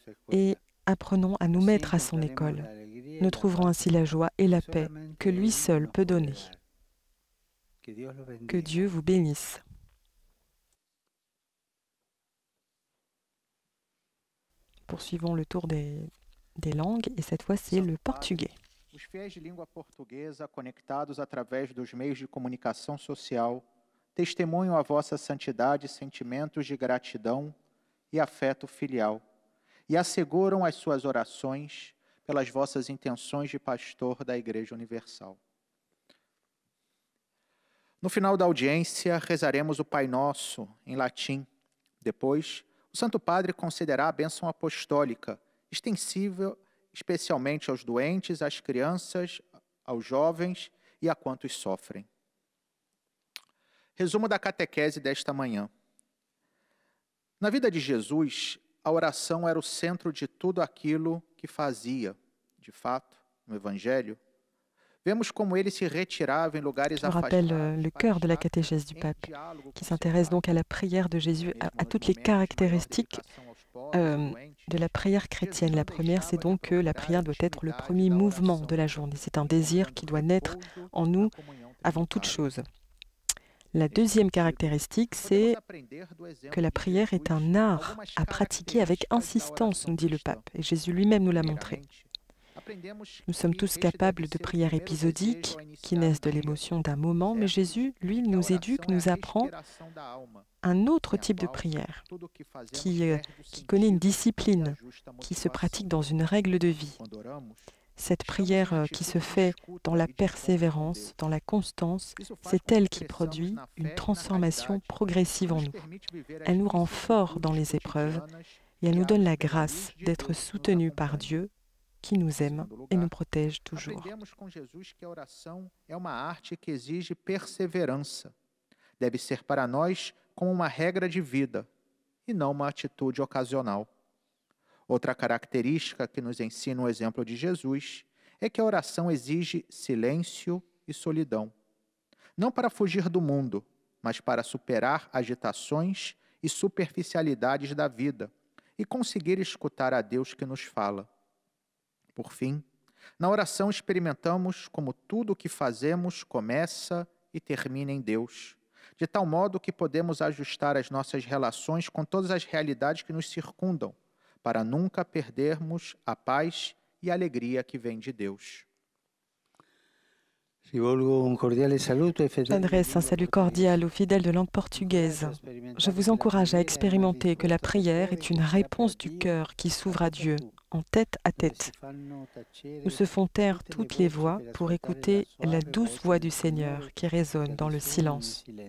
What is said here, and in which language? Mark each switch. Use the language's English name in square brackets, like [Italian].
[French] Et apprenons à nous mettre à son école. Nous trouverons ainsi la joie et la paix que lui seul peut donner. Que Dieu vous bénisse. Poursuivons le tour des langues, et cette fois c'est le portugais. [Portuguese] Os fiéis de língua portuguesa conectados através dos meios de comunicação social testemunham a vossa santidade, sentimentos de gratidão e afeto filial. E asseguram as suas orações pelas vossas intenções de pastor da Igreja Universal. No final da audiência, rezaremos o Pai Nosso, em latim. Depois, o Santo Padre concederá a bênção apostólica, extensível especialmente aos doentes, às crianças, aos jovens e a quantos sofrem. Resumo da catequese desta manhã. Na vida de Jesus, a oração era o centro de tudo aquilo que fazia. De fato, no Evangelho, vemos como ele se retirava em lugares afastados. [French] Rappelle le cœur de la catéchèse du pape, qui s'intéresse donc à la prière de Jésus, à toutes les caractéristiques de la prière chrétienne. La première, c'est donc que la prière doit être le premier mouvement de la journée. C'est un désir qui doit naître en nous avant toute chose. La deuxième caractéristique, c'est que la prière est un art à pratiquer avec insistance, nous dit le pape, et Jésus lui-même nous l'a montré. Nous sommes tous capables de prières épisodiques qui naissent de l'émotion d'un moment, mais Jésus, lui, nous éduque, nous apprend un autre type de prière qui connaît une discipline, qui se pratique dans une règle de vie. Cette prière qui se fait dans la persévérance, dans la constance, c'est elle qui produit une transformation progressive en nous. Elle nous rend forts dans les épreuves et elle nous donne la grâce d'être soutenus par Dieu qui nous aime et nous protège toujours. [Portuguese] Aprendemos com Jesus que a oração é uma arte que exige perseverança. Deve ser para nós como uma regra de vida e não uma atitude ocasional. Outra característica que nos ensina o exemplo de Jesus é que a oração exige silêncio e solidão. Não para fugir do mundo, mas para superar agitações e superficialidades da vida e conseguir escutar a Deus que nos fala. Por fim, na oração experimentamos como tudo o que fazemos começa e termina em Deus, de tal modo que podemos ajustar as nossas relações com todas as realidades que nos circundam, para nunca perdermos a paz e a alegria que vem de Deus. [French] Adresse un salut cordial aux fidèles de langue portugaise. Je vous encourage à expérimenter que la prière est une réponse du cœur qui s'ouvre à Dieu, en tête à tête, où se font taire toutes les voix pour écouter la douce voix du Seigneur qui résonne dans le silence.